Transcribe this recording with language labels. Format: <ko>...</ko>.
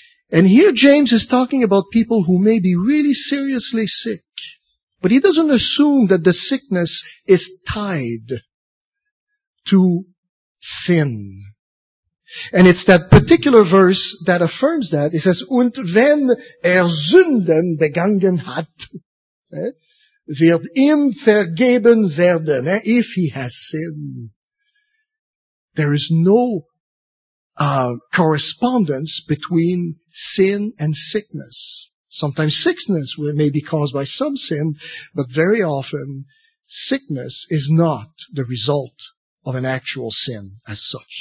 <en>And here James is talking about people who may be really seriously sick. But he doesn't assume that the sickness is tied to sin. And it's that particular verse that affirms that. It says,</en> <de>Und wenn Sünden begangen hat, wird ihm vergeben werden,</de> <en>if he has sinned. There is no correspondence between sin and sickness. Sometimes sickness may be caused by some sin, but very often sickness is not the result of an actual sin as such.</en>